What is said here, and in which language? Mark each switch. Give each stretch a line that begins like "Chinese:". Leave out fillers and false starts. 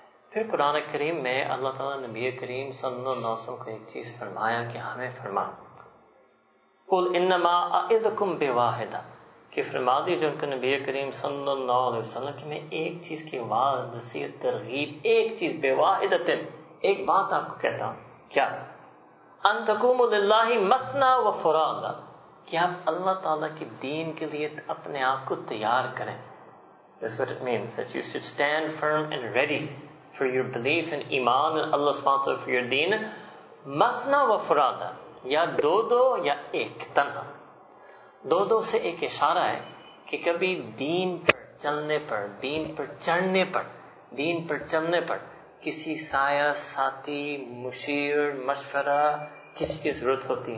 Urdu: پھر قرآن کریم میں اللہ تعالیٰ نبی کریم صلی اللہ علیہ وسلم کو ایک چیز فرمایا کہ ہمیں فرما
Arabic: قل انما اعظکم بواحدہ,
Urdu: کہ فرما دیجیے ان کو نبی کریم صلی اللہ علیہ وسلم کہ میں ایک چیز کی واضح نصیحت ترغیب ایک چیز بواحدہ ایک بات آپ کو کہتا ہوں, کیا
Arabic: ان تقوموا للہ مثنا وفرادا,
Urdu: کہ آپ اللہ تعالیٰ کے دین کے لیے اپنے آپ کو تیار کریں.
English: This is what it means that you should stand firm and ready for your belief in iman and Allah sponsor for your deen.
Arabic: مثنا وفرادا,
Urdu: یا دو دو یا ایک, تنہا دو دو سے ایک اشارہ ہے کہ کبھی دین پر چلنے پر دین پر چڑھنے پر دین پر چلنے پر کسی سایہ ساتھی مشیر مشورہ کسی کی ضرورت ہوتی ہے.